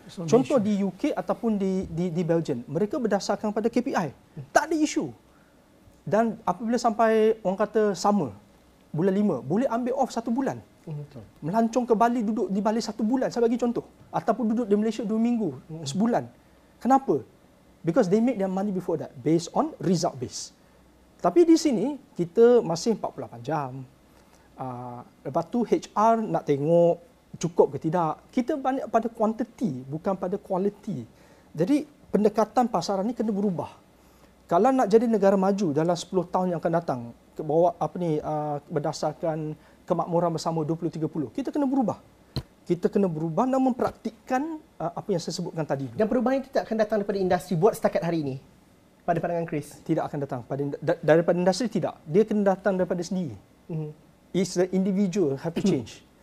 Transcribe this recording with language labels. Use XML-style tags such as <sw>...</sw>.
<ms>Contoh di UK ataupun di Belgium, mereka berdasarkan pada KPI. Tak ada isu. Dan apabila sampai orang kata sama, bulan 5, boleh ambil off 1 bulan. Melancong ke Bali, duduk di Bali 1 bulan, saya bagi contoh. Ataupun duduk di Malaysia 2 minggu, sebulan. Kenapa?</ms> <en>Because they make their money before that, based on result base.</en> <ms>Tapi di sini, kita masih 48 jam. Lepas tu HR nak tengok, cukup ke tidak. Kita banyak pada quantity, bukan pada quality. Jadi pendekatan pasaran ni kena berubah. Kalau nak jadi negara maju dalam 10 tahun yang akan datang, bawa apa ni, berdasarkan kemakmuran bersama 2030, kita kena berubah. Kita kena berubah dan mempraktikkan apa yang saya sebutkan tadi. Dan perubahan itu tidak akan datang daripada industri buat setakat hari ini? Pada pandangan Chris? Tidak akan datang. Daripada industri tidak. Dia kena datang daripada sendiri.</ms> <en>It's the individual have to change.</en>